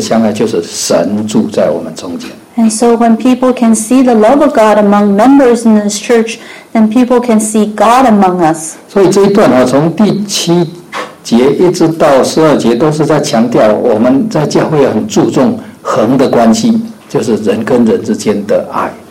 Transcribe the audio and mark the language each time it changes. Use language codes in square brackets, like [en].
[zh] 所以教会的统领大家彼此相爱就是神住在我们中间。 [en] And so when people can see the love of God among members in this church, then people can see God among us. [zh] 所以这一段啊, 从第七 节一直到十二节都是在强调我们在教会很注重恒的关系，就是人跟人之间的爱。